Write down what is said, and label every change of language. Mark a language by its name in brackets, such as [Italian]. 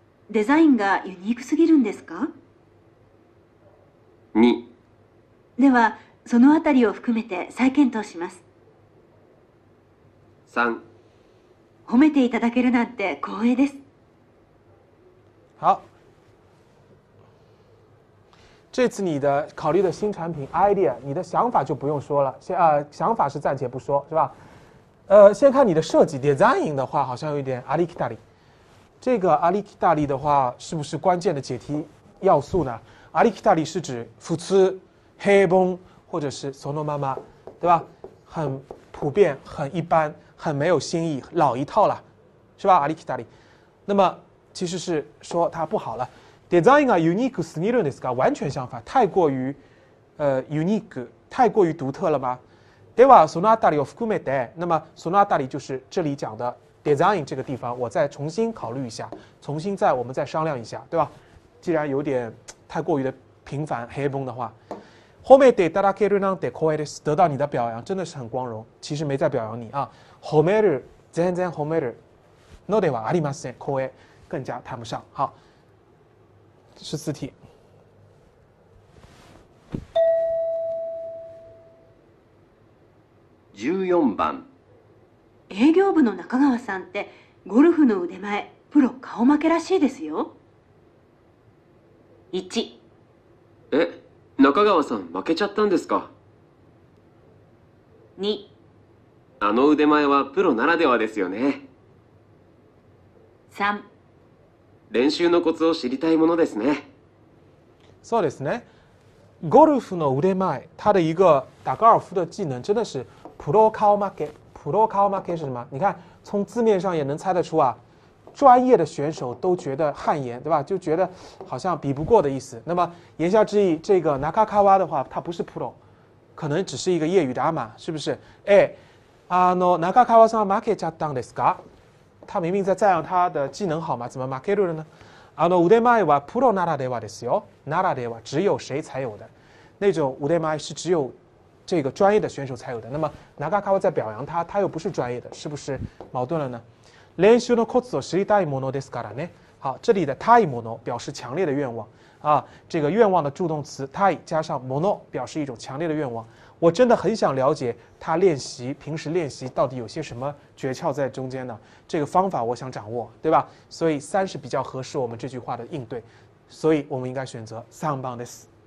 [Japanese] デザインがユニークすぎるんですか？ 2 ではそのあたりを含めて再検討します。 3 褒めていただけるなんて光栄です。 [Chinese] 好，这次你的考虑的新产品 idea， 你的想法就不用说了，想法是暂且不说，是吧？先看你的设计 design 的话，好像有点ありきたり。这个ありきたり的话，是不是关键的解题要素呢？ありきたり是指普通、平凡或者是そのまま，对吧？很普遍、很一般、很没有新意、老一套了，是吧？ありきたり。那么其实是说它不好了。 [Japanese] デザインがユニークすぎるんですか？ [Chinese] 完全相反，太过于unique， 太过于独特了吗？ [Japanese] ではそのあたりを含めて， [Chinese] 那么 [Japanese] そのあたり [Chinese] 就是这里讲的 design 这个地方，我再重新考虑一下，重新再我们再商量一下，对吧？既然有点太过于的平凡黑崩的话， [Japanese] 褒めていただけるなんて光栄です。 [Chinese] 得到你的表扬真的是很光荣。其实没在表扬你啊， [Japanese] 褒める全然褒めるのではありません。 [Chinese] 光栄更加谈不上。好，十四题。 [Japanese] 十四番。営業部の中川さんってゴルフの腕前プロ顔負けらしいですよ。 1 え、中川さん負けちゃったんですか？ 2 あの腕前はプロならではですよね。 3 練習のコツを知りたいものですね。そうですね。ゴルフの腕前、 [Chinese] 他的一个打高尔夫的技能真的是 [Japanese] プロ顔負け。 [Chinese] プロ顔負け是什么？你看从字面上也能猜得出啊，专业的选手都觉得汗颜，对吧？就觉得好像比不过的意思。那么言下之意，这个 Nakakawa 的话，他不是 pro， 可能只是一个业余的阿玛，是不是？ [Japanese] 哎，あの Nakakawa さん負けちゃったんですか？ [Chinese] 他明明在赞扬他的技能好嘛，怎么 [Japanese] 負けるの [Chinese] 呢？ [Japanese] あの腕前はプロならではですよ。 [Chinese] ならでは只有谁才有的，那种腕前是只有这个专业的选手才有的。那么 Nakakawa 在表扬他，他又不是专业的，是不是矛盾了呢？ [Japanese] 練習のコツを知りたいものですからね。 [Chinese] 好，这里的たいもの表示强烈的愿望啊，这个愿望的助动词たい加上もの表示一种强烈的愿望。我真的很想了解他练习平时练习到底有些什么诀窍在中间呢？这个方法我想掌握，对吧？所以三是比较合适我们这句话的应对，所以我们应该选择 [Japanese] 三番です。